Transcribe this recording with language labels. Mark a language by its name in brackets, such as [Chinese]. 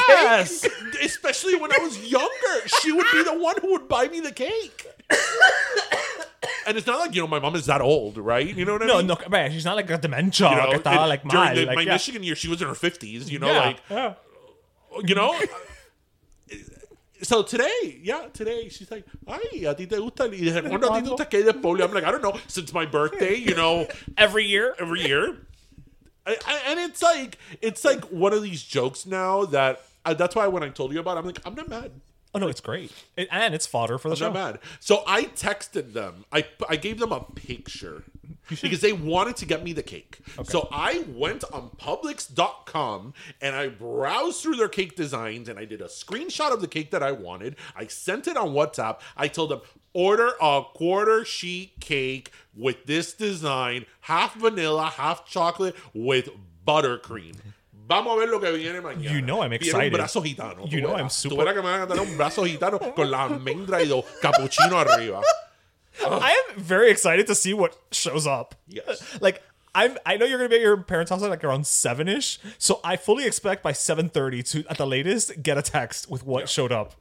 [English] Yes. Especially when I was younger. She would be the one who would buy me the cake. And it's not like, you know, my mom is that old, right? You know what I mean? No, man, she's not like a dementia. You know, during my Michigan year, she was in her 50s, you know? You know? So today, she's like, [Spanish] ay, a ti te gusta el hijo, a ti te gusta que de pollo. [English] I'm like, I don't know, since my birthday, you know. Every year. And it's like one of these jokes now that, that's why when I told you about it, I'm like, I'm not mad. Oh, no, it's great. And it's fodder for the show. I'm not mad. So I texted them. I gave them a picture because they wanted to get me the cake. Okay. So I went on Publix.com and I browsed through their cake designs and I did a screenshot of the cake that I wanted. I sent it on WhatsApp. I told them, order a quarter sheet cake with this design, half vanilla, half chocolate with buttercream. [Spanish] Vamos a ver lo que viene mañana. [English] You know I'm excited. [Spanish] Viene un brazo gitano. [English] You know I'm super. [Spanish] Tú verás que me van a dar un brazo gitano con la almendra y dos cappuccino arriba. [English] I am very excited to see what shows up. Yes. Like, I know you're going to be at your parents' house at like around 7-ish. So I fully expect by 7:30 to, at the latest, get a text with what showed up.